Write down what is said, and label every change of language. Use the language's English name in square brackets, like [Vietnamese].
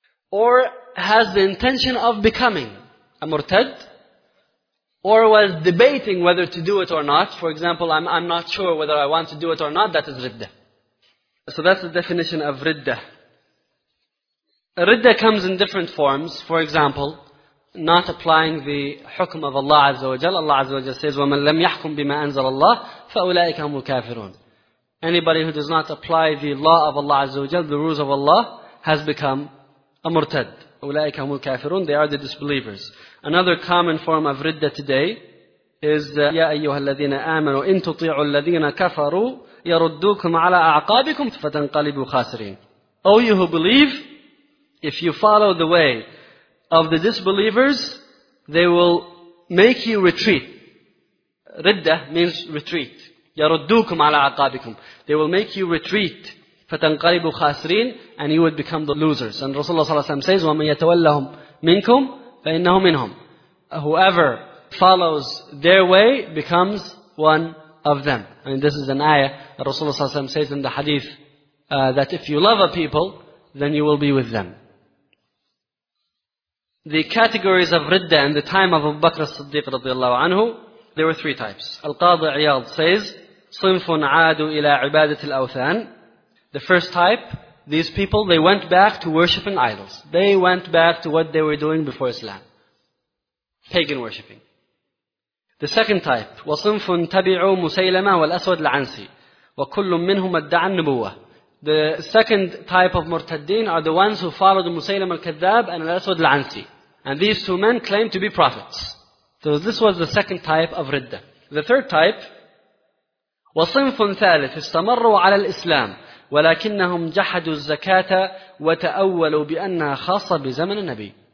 [English] Or has the intention of becoming a murtad, or was debating whether to do it or not. For example, I'm not sure whether I want to do it or not. That is ridda. So that's the definition of ridda. Ridda comes in different forms. For example, not applying the hukm of Allah Azza wa Jal. Allah Azza wa Jal says, [Arabic] وَمَنْ لَمْ يَحْكُمْ بِمَا أَنزَلَ اللَّهِ فَأُولَٰئِكَ هُمُ الْكَافِرُونَ. [English] Anybody who does not apply the law of Allah Azza wa Jal, the rules of Allah, has become a murtad. [Arabic] أُولَٰئِكَ هُمُ الْكَافِرُونَ. [English] They are the disbelievers. Another common form of ridda today is [Arabic] يَا أَيُّهَا الَّذِينَ آمَنُوا إِن تُطِيعُوا الَّذِينَ كَفَرُوا يَرُدُّوكُمْ عَلَىٰ أَعْقَابِكُمْ فَتَنْقَلِبُوا خَاسِرِينَ. [English] O you who believe, if you follow the way of the disbelievers, they will make you retreat. Ridda means retreat. [Arabic] يَرُدُّوكُمْ عَلَىٰ أَعْقَابِكُمْ. [English] They will make you retreat. [Arabic] فَتَنْقَلِبُوا خَاسِرِينَ. [English] And you would become the losers. And Rasulullah Sallallahu Alaihi Wasallam says, [Arabic] وَمَن يَتَوَلَّهُمْ مِنْكُمْ فَإِنَّهُ مِنْهُمْ. [English] Whoever follows their way becomes one of them. I mean, this is an ayah that Rasulullah Sallallahu Alaihi Wasallam says in the hadith that if you love a people, then you will be with them. The categories of ridda in the time of Abu Bakr as-Siddiq radiallahu anhu, there were three types. Al-Qadi Iyad says, [Arabic] صِنْفٌ عَادُوا إِلَىٰ عِبَادَةِ الْأَوْثَانِ. [English] The first type, these people, they went back to worshipping idols. They went back to what they were doing before Islam. Pagan worshipping. The second type, [Arabic] وَصِنْفٌ تَبِعُوا مُسَيْلَمَا وَالْأَسْوَدْ الْعَنْسِي وَكُلٌّ مِّنْهُمَ ادَّعَ النُّبُوَّةِ. [English] The second type of Murtaddin are the ones who followed Musaylam al-Kadhab and al-Aswad al-Ansi. And these two men claim to be prophets. So this was the second type of Ridda. The third type, [Arabic] وَصِنْفٌ ثَالِثٌ اسْتَمَرُوا عَلَى الْإِسْلَامِ وَلَكِنَّهُمْ جَحَدُوا الزَّكَاةَ وَتَأَوَّلُوا بِأَنَّهَا خَاصَّةٌ بِزَمَنِ النَّبِيِّ.